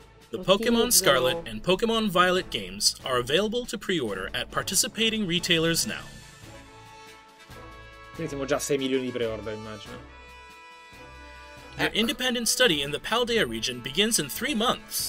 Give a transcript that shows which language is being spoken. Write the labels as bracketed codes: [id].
[en] The Pokémon Scarlet and Pokémon Violet games are available to pre-order at participating retailers now. [it] Quindi siamo già 6 milioni di pre-order, immagino. [en] Your independent study in the Paldea region begins in 3 months.